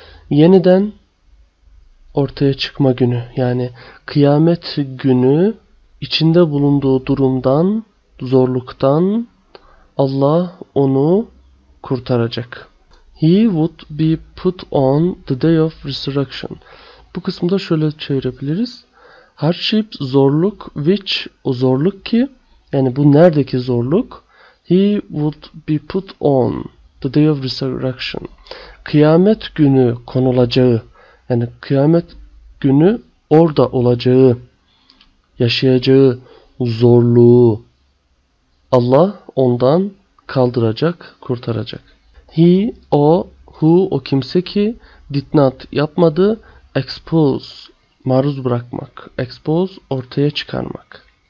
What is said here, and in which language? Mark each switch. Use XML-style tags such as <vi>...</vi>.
<tr>Yeniden ortaya çıkma günü, yani kıyamet günü, içinde bulunduğu durumdan, zorluktan Allah onu kurtaracak.</tr> <en>He would be put on the day of resurrection.</en> <tr>Bu kısımda şöyle çevirebiliriz. Hardship, zorluk, which, o zorluk ki, yani bu neredeki zorluk?</tr> <en>He would be put on the day of resurrection.</en> <tr>Kıyamet günü konulacağı, yani kıyamet günü orada olacağı, yaşayacağı zorluğu Allah ondan kaldıracak, kurtaracak. He, o, who, o kimse ki,</tr> <en>did not,</en> <tr>yapmadı, expose, maruz bırakmak, expose, ortaya çıkarmak.</tr>